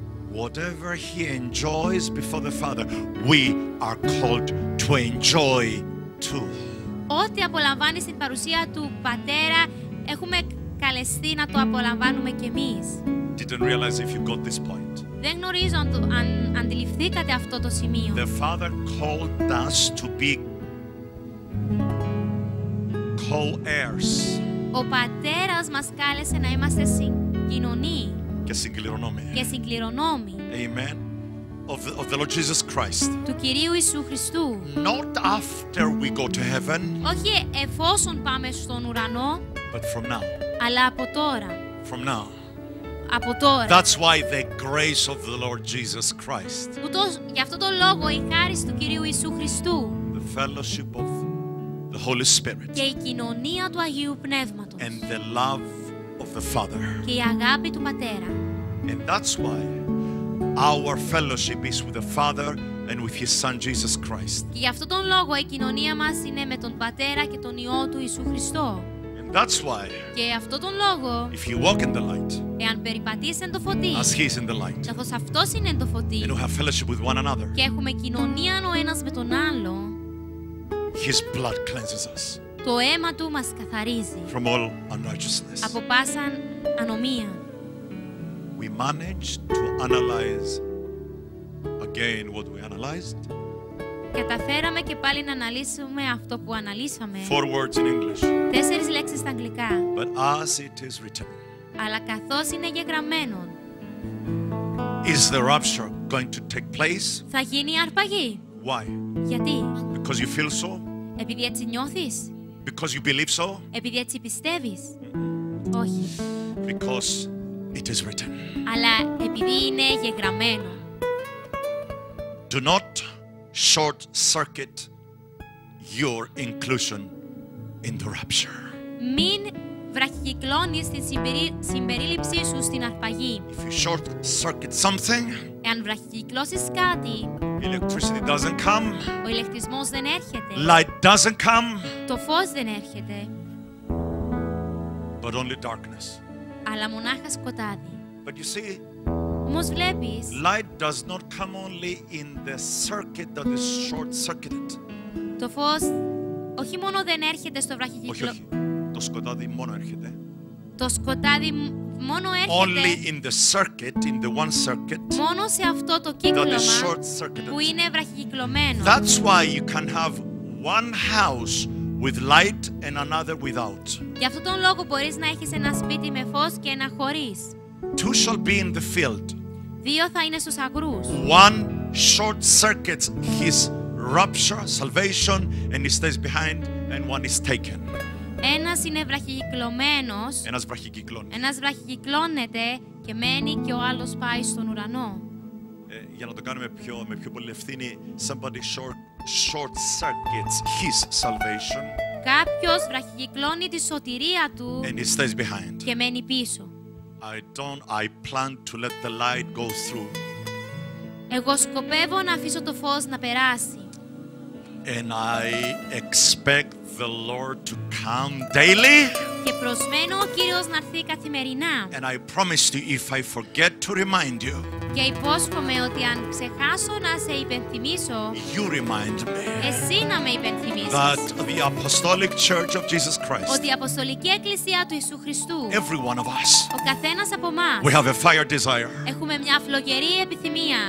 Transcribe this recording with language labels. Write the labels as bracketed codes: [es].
[en] Whatever he enjoys before the Father, we are called to enjoy too. [el] Ό,τι απολαμβάνει στην παρουσία του Πατέρα, έχουμε καλεστεί να το απολαμβάνουμε κι εμείς. [en] Didn't realize if you got this point. [el] Δεν γνωρίζω αν αντιληφθήκατε αυτό το σημείο. [en] The Father called us to be co-heirs. [el] Ο Πατέρας μας κάλεσε να είμαστε συγκοινωνοί και συγκληρονόμοι. Και συγκληρονόμοι. [en] Amen. Of the Lord Jesus Christ. [el] Του Κυρίου Ιησού Χριστού. [en] Not after we go to heaven. [el] Όχι εφόσον πάμε στον ουρανό. [en] But from now. [el] Αλλά από τώρα. [en] From now. [el] Από τώρα. [en] That's why the grace of the Lord Jesus Christ. [el] Για αυτό το λόγο η χάρη του Κυρίου Ιησού Χριστού. [en] The fellowship of the Holy Spirit. [el] Και η κοινωνία του Αγίου Πνεύματος. [en] And the love of the Father. [el] Και η αγάπη του Πατέρα. [en] And that's why our fellowship is with the Father and with his Son Jesus Christ. [el] Και για αυτό τον λόγο η κοινωνία μας είναι με τον Πατέρα και τον Υιό του Ιησού Χριστό. [en] And That's why. [el] Και αυτό τον λόγο. [en] If you walk in the light. [el] Εάν περιπατείς εν το φωτί. [en] As he is in the light. [el] Καθώς αυτός είναι εν το φωτί. [en] And we have fellowship with one another. [el] Και έχουμε κοινωνία ο ένας με τον άλλο. [en] His blood cleanses us. [el] Το αίμα του μας καθαρίζει. [en] From all unrighteousness. [el] Από πάσα ανομία. [en] We manage to analyze again what we analyzed. [el] Καταφέραμε και πάλι να αναλύσουμε αυτό που αναλύσαμε. [en] Four words in English. [el] Τέσσερις λέξεις στα αγγλικά. [en] But as it is written. [el] Αλλά καθώς είναι γεγραμμένο. [en] Is the rapture going to take place? [el] Θα γίνει η αρπαγή. [en] Why? [el] Γιατί? [en] Because you feel so. [el] Επειδή έτσι νιώθεις. [en] Because you believe so. [el] Επειδή έτσι πιστεύεις. Όχι. [en] Because it is written. [el] Αλλά επειδή είναι γεγραμμένο. [en] Do not short circuit your inclusion in the rapture. [el] Μην βραχυκυκλώνεις την συμπερίληψή σου στην αρπαγή. [en] If you short circuit something, [el] εάν βραχυκυκλώσεις κάτι, [en] electricity doesn't come, [el] ο ηλεκτρισμός δεν έρχεται, [en] light doesn't come, [el] το φως δεν έρχεται, [en] but only darkness. [el] Αλλά μονάχα σκοτάδι. [en] But you see, [el] όμως βλέπεις, [en] light does not come only in the circuit that is short-circuited. [el] Το φως όχι μόνο δεν έρχεται στο βραχυκύκλο. Όχι, όχι. Το σκοτάδι μόνο έρχεται. Το σκοτάδι μόνο έρχεται. [en] Only in the circuit, in the one circuit. [el] Μόνο σε αυτό το κύκλωμα [en] that is short-circuited. [el] Που είναι βραχυκυκλωμένο. [en] That's why you can have one house with light and another without. [el] Γι' αυτόν τον λόγο μπορείς να έχεις ένα σπίτι με φως και ένα χωρίς. [en] Two shall be in the field. [el] Δύο θα είναι στους αγρούς. [en] One short circuits his rapture, salvation, and he stays behind, and one is taken. [el] Ένας είναι βραχυκυκλωμένος. Ένας βραχυκυκλώνει. Ένας βραχυκυκλώνεται και μένει και ο άλλος πάει στον ουρανό. Για να το κάνουμε πιο με πιο πολύ ευθύνη, [en] somebody short circuits his salvation. [el] Κάποιος βραχυκυκλώνει τη σωτηρία του. [en] And he stays behind. [el] Και μένει πίσω. [en] I plan to let the light go through. [el] Εγώ σκοπεύω να αφήσω το φως να περάσει. [en] And I expect the Lord to come daily. [el] Και προσμένω ο Κύριος να έρθει καθημερινά. [en] And I promise you, if I forget to remind you. [el] Και υπόσχομαι ότι αν ξεχάσω να σε υπενθυμίσω. [en] You remind me. [el] Εσύ να με υπενθυμίσεις. [en] That the Apostolic Church of Jesus Christ. [el] Ότι η Αποστολική Εκκλησία του Ιησού Χριστού. [en] Every one of us. [el] Ο καθένας από μας. [en] We have a fire desire. [el] Έχουμε μια φλογερή επιθυμία.